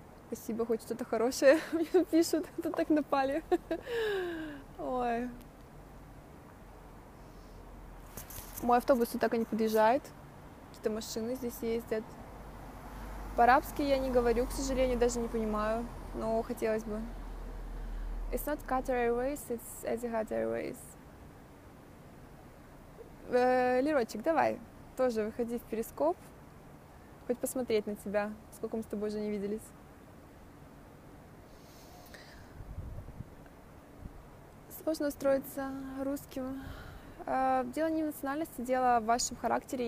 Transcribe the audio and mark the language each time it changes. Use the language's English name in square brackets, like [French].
[Russian] спасибо, хоть что-то хорошее мне пишут, это так напали. Ой. Мой автобус так и не подъезжает. Какие-то машины здесь ездят. По-арабски я не говорю, к сожалению, даже не понимаю, но хотелось бы. [English] It's not Qatar Airways, it's Etihad Airways. [Russian] Лерочек, давай, тоже выходи в перископ. Хоть посмотреть на тебя, сколько мы с тобой уже не виделись. Сложно устроиться русским. Дело не в национальности, дело в вашем характере.